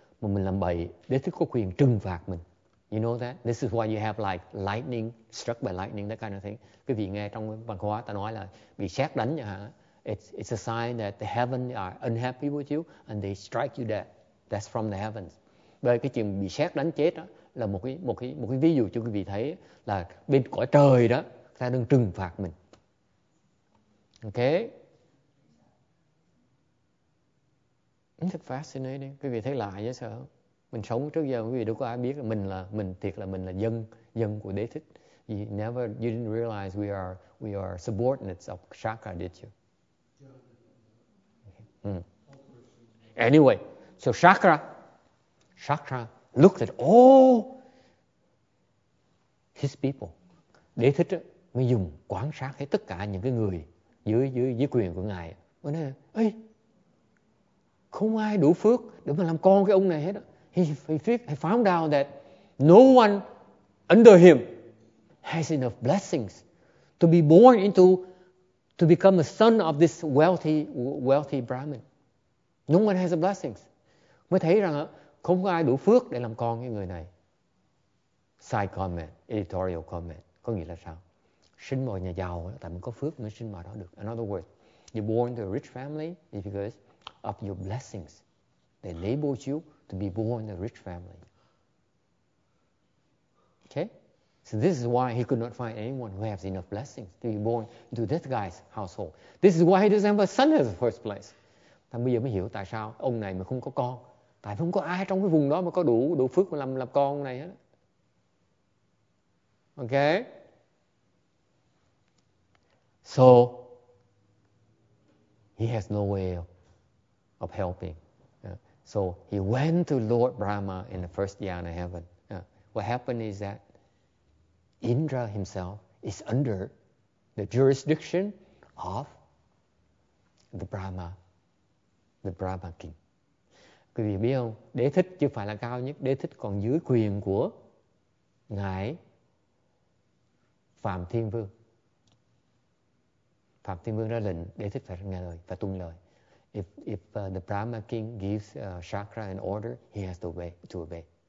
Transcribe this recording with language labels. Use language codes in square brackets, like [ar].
[vi] Mà mình làm bậy, đế thích có quyền trừng phạt mình. [en] You know that? This is why you have like lightning, struck by lightning, that kind of thing. [vi] Quý vị nghe trong văn hóa ta nói là bị sét đánh nhỉ? [en] It's a sign that the heaven are unhappy with you and they strike you dead. That's from the heavens. [vi] Vậy cái chuyện bị sét đánh chết đó là một cái ví dụ cho quý vị thấy là bên cõi trời đó ta đang trừng phạt mình. Okay? [en] Isn't it fascinating? [vi] Quý vị thấy lạ chứ sao? Mình sống trước giờ quý vị đâu có ai biết là mình là dân của đế thích. [en] You didn't realize we are subordinates of Shaka, did you? Anyway, so Shaka looked at all his people. [vi] Đế thích mới dùng quan sát hết tất cả những cái người dưới quyền của ngài. Mới nói, ê, không ai đủ phước để mà làm con cái ông này hết. [en] He found out that no one under him has enough blessings to be born into, to become a son of this wealthy Brahmin. No one has the blessings. [vi] Mới thấy rằng không có ai đủ phước để làm con cái người này. [en] Side comment, editorial comment. [vi] Có nghĩa là sao? Sinh vào nhà giàu, tại mình có phước mới sinh vào đó được. [en] In other words, you're born to a rich family is because of your blessings. They labeled you to be born in a rich family. Okay? So this is why he could not find anyone who has enough blessings to be born into that guy's household. This is why he doesn't have a son in the first place. [vi] Ta bây giờ mới hiểu tại sao ông này mà không có con. Tại không có ai trong cái vùng đó mà có đủ phước mà làm con này hết. [en] Okay? So, he has no way of helping. So he went to Lord Brahma in the first Dhyana heaven. What happened is that Indra himself is under the jurisdiction of the Brahma king. [vi] Quý vị biết không? Đế thích chưa phải là cao nhất. Đế thích còn dưới quyền của ngài Phạm Thiên Vương. Phạm Thiên Vương ra lệnh đế thích phải nghe lời và tuân lời. [en] If the Brahma king gives Shaka an order, he has to obey.